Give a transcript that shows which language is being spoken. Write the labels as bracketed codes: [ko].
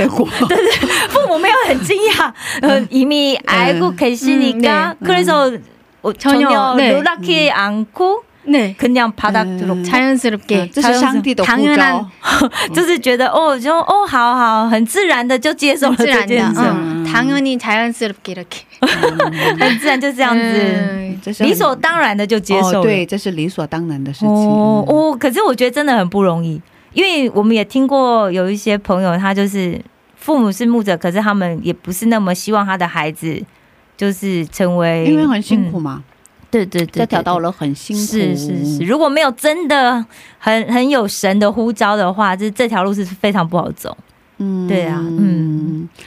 [zh] 所以他们已经知道了，所以他讲的时候，父母就没有很惊讶，这是一个很自然的结果。对对，父母没有很惊讶， [ko] 이미 알고 계시니까 그래서 전혀 놀라키 않고 그냥 바닥으로 자연스럽게 당연한， [zh] 就是觉得哦，就哦，好好，很自然的就接受了这件事，当然，当然，自然就这样子。很自然就这样子，理所当然的就接受了，对，这是理所当然的事情。哦，可是我觉得真的很不容易，因为我们也听过有一些朋友，他就是父母是牧者，可是他们也不是那么希望他的孩子就是成为，因为很辛苦嘛，对对对，这条道路很辛苦，是是是，如果没有真的很有神的呼召的话，这条路是非常不好走。嗯，对啊，嗯，